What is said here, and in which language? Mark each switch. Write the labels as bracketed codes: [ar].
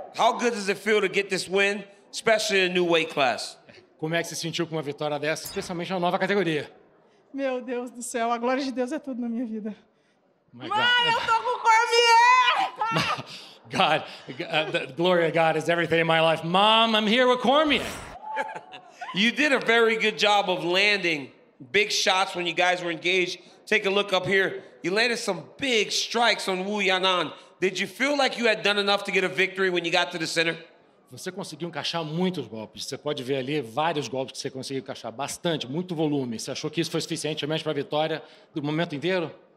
[en] How good does it feel to get this win, especially in a new weight class? [pt] Como é que se sentiu com uma vitória dessa, especialmente na nova categoria? Meu Deus do céu, a glória de Deus é tudo na minha vida. Mãe, eu tô com Cormier! [en] God, the glory of God is everything in my life. Mom, I'm here with Cormier. You did a very good job of landing big shots when you guys were engaged. Take a look up here. You landed some big strikes on Wu Yanan. Did you feel like you had done enough to get a victory when you got to the center? [pt] Você conseguiu encaixar muitos golpes. Você pode ver ali vários golpes que você conseguiu encaixar. Bastante, muito volume. Você achou que isso foi suficientemente para a vitória do momento inteiro?